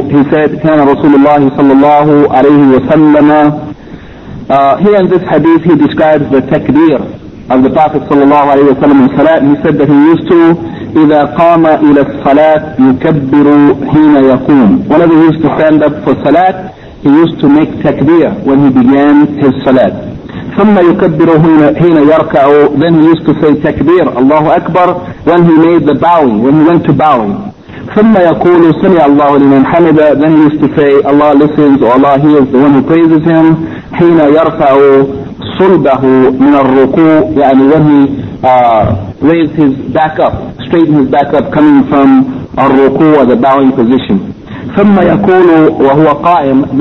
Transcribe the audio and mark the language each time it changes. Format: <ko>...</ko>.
<en>He said,</en> <ar>كان رسول الله صلى الله عليه وسلم.</ar> <en>Here in this hadith he describes the takbir of the Prophet صلى الله عليه وسلم in salat. He said that he used to,</en> <ar>إذا قام إلى الصلاة يكبر حين يقوم.</ar> <en>Whenever he used to stand up for salat, he used to make takbir when he began his salat.</en> <ar>ثم يكبر حين يركع.</ar> <en>Then he used to say takbir,</en> <ar>الله أكبر,</ar> <en>when he made the bowing, when he went to bowing.</en> <ar>ثم يقول سمع الله لمن حمده.</ar> <en>Then he used to say Allah listens, or Allah hears the one who praises him.</en> <ar>حين يرفع صلبه من الركوع.</ar> <en>يعني when he raised his back up, straighten his back up, coming from الركوع, the bowing position.</en> <ar>ثم يقول وهو قائم.</ar>